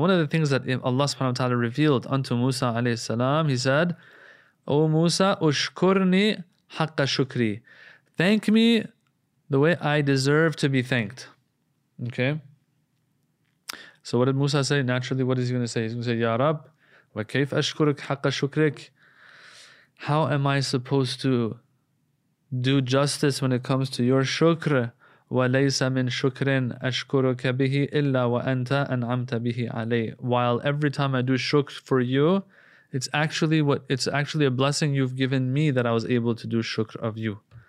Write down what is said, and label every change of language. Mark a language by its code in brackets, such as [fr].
[en] One of the things that Allah subhanahu wa ta'ala revealed unto Musa alayhi salam, he said, O Musa, [ar] أُشْكُرْنِي حَقَّ شُكْرِي. [en] Thank me the way I deserve to be thanked. Okay? So what did Musa say? Naturally, what is he going to say? He's going to say, [ar] يَا رَبْ وَكَيْفْ أَشْكُرُكْ حَقَّ شُكْرِكْ. [en] How am I supposed to do justice when it comes to your shukr? [ar] وَلَيْسَ مِن شُكْرٍ أَشْكُرُكَ بِهِ إِلَّا وَأَنْتَ أَنْعَمْتَ بِهِ عَلَيْهِ. [en] While every time I do shukr for you, it's actually a blessing you've given me that I was able to do shukr of you.